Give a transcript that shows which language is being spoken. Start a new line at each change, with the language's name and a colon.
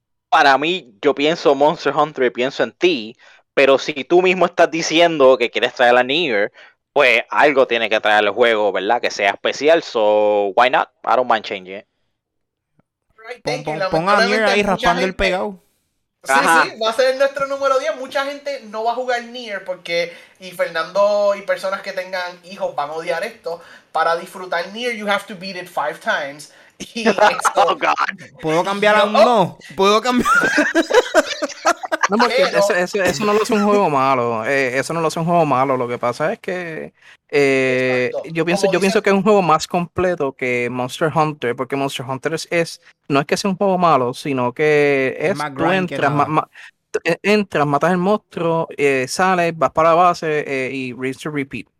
Spanish: Para mí, yo pienso Monster Hunter y pienso en ti, pero si tú mismo estás diciendo que quieres traer a Nier, pues algo tiene que traer al juego, ¿verdad? Que sea especial,
English: so why not? I don't mind changing it. Fair enough.
Spanish: pon a Nier ahí raspando el pegado. Sí, ajá, sí, va a ser nuestro número 10. Mucha gente no va a jugar Nier porque, y Fernando y personas que tengan hijos van a odiar esto. Para disfrutar Nier,
English: you have to beat it 5 times. Oh, God.
Spanish: ¿Puedo cambiar a uno? ¿Puedo cambiar? No, porque eso no lo hace un juego malo. Eso no lo hace un juego malo. Lo que pasa es que yo pienso que es un juego más completo que Monster Hunter. Porque Monster Hunter no es que sea un juego malo, sino que es tú entras, entras, matas el monstruo, sales, vas para la base y
English: rinse to repeat.